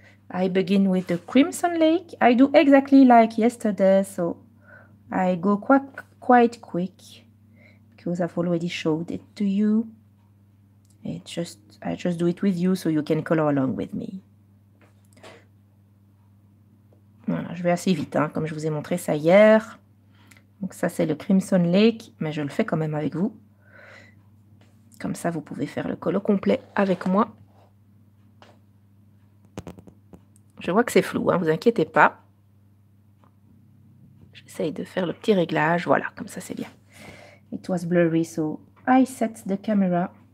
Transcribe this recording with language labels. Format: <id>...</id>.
<en>I begin with the Crimson Lake. I do exactly like yesterday, so I go quite quick because I've already showed it to you. I just do it with you so you can color along with me.</en> <fr>Voilà, je vais assez vite, hein, comme je vous ai montré ça hier. Donc ça, c'est le Crimson Lake, mais je le fais quand même avec vous. Comme ça, vous pouvez faire le colo complet avec moi. Je vois que c'est flou, hein, vous inquiétez pas. J'essaye de faire le petit réglage, voilà, comme ça, c'est bien.</fr> <en>It was blurry, so I set the camera.</en>